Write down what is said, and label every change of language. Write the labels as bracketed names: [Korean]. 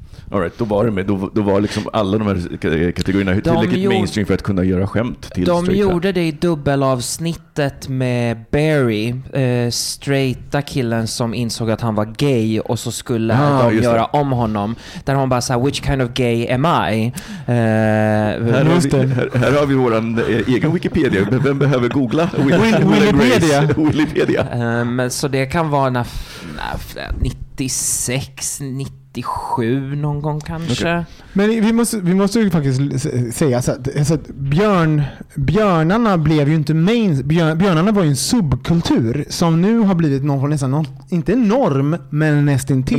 [Swedish] All right, då var liksom alla de här kategorierna tillräckligt mainstream för att kunna göra skämt till de straighta. De gjorde det i dubbelavsnittet med Barry, straighta killen som insåg att han var gay, och så skulle de göra det om honom. Där hon bara sa, [English] which kind of gay am I? [Swedish] Här har vi vår egen Wikipedia. Vem behöver googla? Wikipedia. Wikipedia. Så det kan vara 96, 97 någon gång kanske. [English] Okay. [Swedish] Men vi måste ju faktiskt säga så att, björnarna blev ju inte main, björnarna var ju en subkultur som nu har blivit någon form, nästan inte enorm, men nästintill.